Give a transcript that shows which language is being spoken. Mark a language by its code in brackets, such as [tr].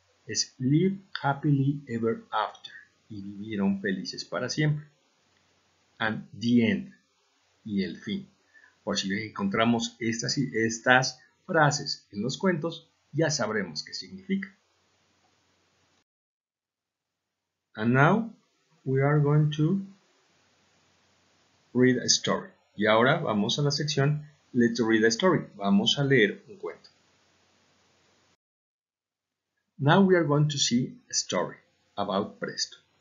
[es] Es [en] live happily ever after, [es] y vivieron felices para siempre. [en] And the end, [es] y el fin. Por si encontramos estas frases en los cuentos, ya sabremos qué significa. [en] And now we are going to read a story. [es] Y ahora vamos a la sección [en] Let's read a story. [es] Vamos a leer un cuento. [en] Now we are going to see a story about Presto.